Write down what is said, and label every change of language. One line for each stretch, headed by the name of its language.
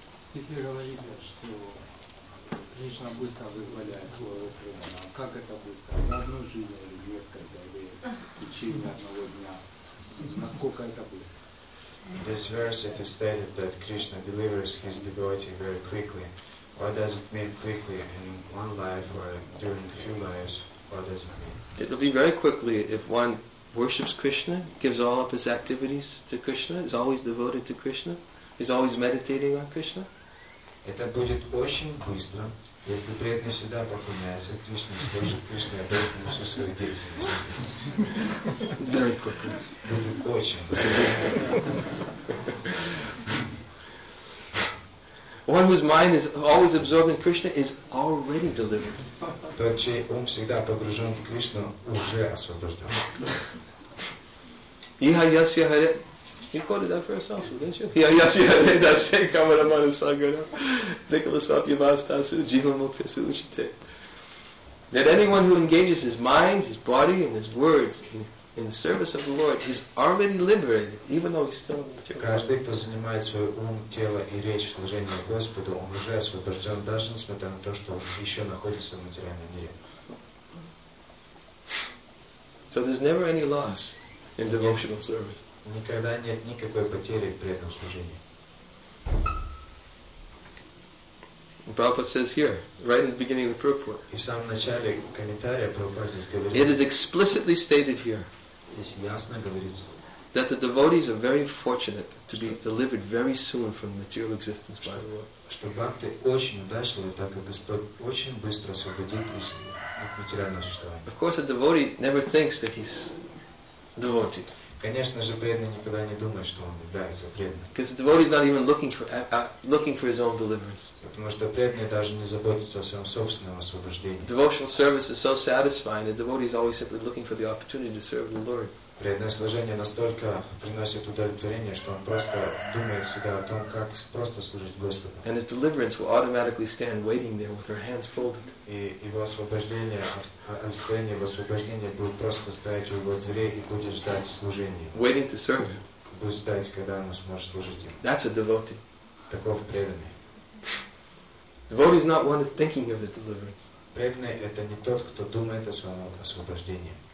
Russian: Стихи говорит, что Кришна быстро вызволяет своего преданного. Как это быстро? На одну жизнь или несколько, или в течение одного дня. Насколько это быстро?
English: In this verse it is stated that Krishna delivers his devotee very quickly. What does it mean quickly, in one life or during a few lives? What does it mean? It'll be very quickly if one worships Krishna, gives all of his activities to Krishna, is always devoted to Krishna, is always meditating on Krishna.
Russian: Это будет очень быстро, если преданный всегда поклоняется Кришне, служит Кришне, отдает ему всю свою деятельность.
English: Very quickly.
Russian: Будет очень быстро.
English: One whose mind is always absorbed in Krishna is already delivered.
Russian: Тот, чей ум всегда погружен в Кришну, уже освобожден. Иха яся харе.
English: You quoted that verse also, didn't you? Иха яся харе дасе камарамана сагара. Николас вапьявастасу джимамуктасу учите. That anyone who engages his mind, his body, and his words in the service of the Lord is already liberated, even though he's still in the material.
Russian: Каждый, кто занимает свой ум, тело и речь в служении Господу, он уже освобожден, даже несмотря на то, что он еще находится в материальном мире.
English: So there's never any loss in devotional service.
Russian: Никогда нет никакой потери при этом служении.
English: Prabhupada says here, right in the beginning of the purport.
Russian: И в самом начале комментария Прабхупада здесь говорит.
English: It is explicitly stated here.
Russian: Здесь ясно говорится.
English: That the devotees are very fortunate to be delivered very soon from material existence by the Lord.
Russian: Что бхакты очень удачливы, так как Господь очень быстро освободит их от материального существования.
English: Of course, a devotee never thinks that he's devoted.
Russian: Конечно же, преданный никогда не думает, что он является преданным.
English: Because the devotee is not even looking for his own deliverance.
Russian: Потому что преданный даже не заботится о своем собственном освобождении.
English: Devotional service is so satisfying that the devotee is always simply looking for the opportunity to serve the Lord.
Russian: Преданное служение настолько приносит удовлетворение, что он просто думает всегда о том, как просто служить Господу.
English: And his deliverance will automatically stand waiting there with her hands folded.
Russian: И его освобождение, обстояние его освобождения будет просто стоять у его дверей и будет ждать служения.
English: Waiting to serve him.
Russian: Будет ждать, когда он сможет служить ему.
English: That's a devotee.
Russian: Таков преданный.
English: Devotee is not one who's thinking of his deliverance.
Russian: Преданный — это не тот, кто думает о своем освобождении.